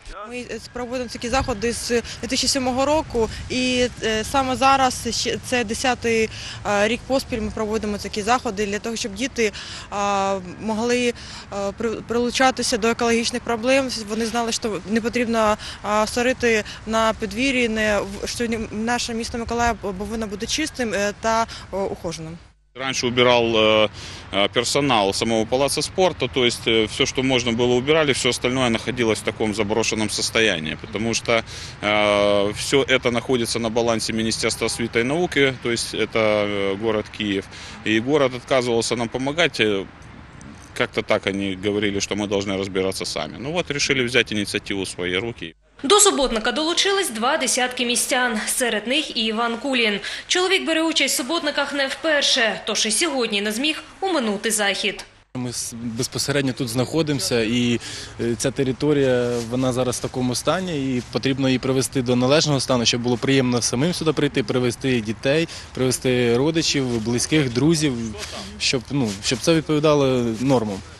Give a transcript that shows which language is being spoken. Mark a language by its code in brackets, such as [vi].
[uk] Ми проводимо такі заходи з 2007 року і саме зараз, це 10-й рік поспіль, ми проводимо такі заходи для того, щоб діти могли прилучатися до екологічних проблем. Вони знали, що не потрібно сорити на подвір'ї, що наше місто Миколаїв повинно бути чистим та ухоженим. [ru] Раньше убирал персонал самого палаца спорта, то есть все, что можно было, убирали, все остальное находилось в таком заброшенном состоянии, потому что все это находится на балансе Министерства освіти і науки, то есть это город Киев, и город отказывался нам помогать, как-то так они говорили, что мы должны разбираться сами. Ну вот решили взять инициативу в свои руки. [uk] До суботника долучились 20 містян. Серед них і Іван Кулін. Чоловік бере участь в суботниках не вперше, тож і сьогодні не зміг оминути захід. Ми безпосередньо тут знаходимося, і ця територія, вона зараз в такому стані, і потрібно її привести до належного стану, щоб було приємно самим сюди прийти, привести дітей, привести родичів, близьких, друзів, щоб це відповідало нормам.